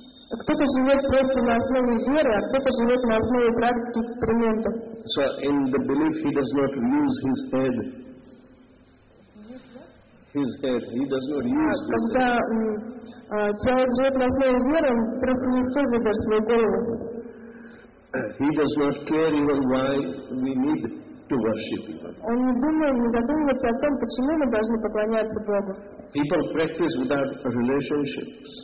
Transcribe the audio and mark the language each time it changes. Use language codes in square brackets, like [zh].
[ru] Кто-то живет просто на основе веры, а кто-то живет на основе практики экспериментов. [en] So in the belief he does not use his head. His head, he does not use his head. [ru] Человек живет на основе веры, он просто не использует даже свою голову. [en] He does not care even why we need to worship him. [ru] Он не думает, не задумывается о том, почему мы должны поклоняться Богу. [en] People practice without relationships.